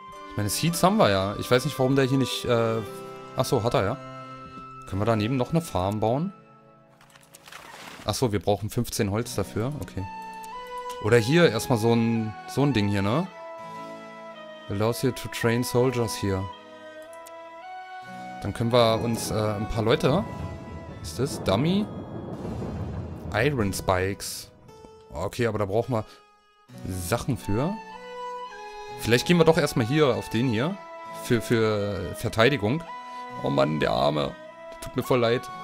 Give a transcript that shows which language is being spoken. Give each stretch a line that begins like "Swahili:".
German: Ich meine, Seeds haben wir ja. Ich weiß nicht, warum der hier nicht... Achso, hat er ja. Können wir daneben noch eine Farm bauen? Achso, wir brauchen 15 Holz dafür. Okay. Oder hier erstmal so ein Ding hier, ne?
English: Allows you to train soldiers here.
German: Dann können wir uns ein paar Leute. Was ist das? Dummy? Iron Spikes. Okay, aber da brauchen wir Sachen für. Vielleicht gehen wir doch erstmal hier auf den hier. Für Verteidigung. Oh Mann, der Arme. Tut mir voll leid.